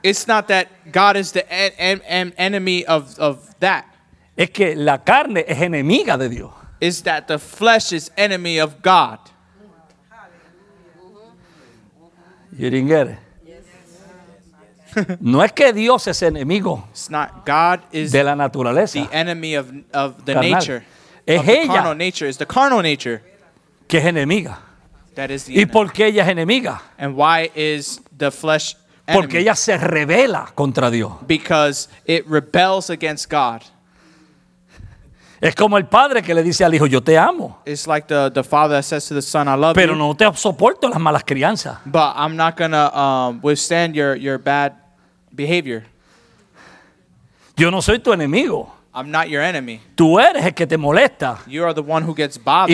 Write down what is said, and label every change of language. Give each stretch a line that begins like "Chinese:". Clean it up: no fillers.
English: It's not that God is the enemy of that.
Spanish: Es que la carne es enemiga de Dios.
English: Is that the flesh is enemy of God. You didn't get it.
Spanish: No es que Dios es enemigo.
English: It's not God is
Spanish: de la naturaleza.
English: The enemy of the carnal. Nature.
Spanish: Es ella.
English: It's the carnal nature.
Spanish: Que es enemiga.
English: That is the
Spanish: ¿Y
English: enemy.
Spanish: Por qué ella es enemiga?
English: And why is the flesh enemy?
Spanish: Porque ella se rebela contra Dios.
English: Because it rebels against God.
Spanish: Es como el padre que le dice al hijo, yo te amo.
English: It's like the father that says to the son, I love
Spanish: Pero Pero no te soporto las malas crianzas.
English: But I'm not going to withstand your bad behavior.
Spanish: Yo no soy tu enemigo.
English: I'm not your enemy.
Spanish: Tú eres el que te molesta.
English: You are the one who gets bothered.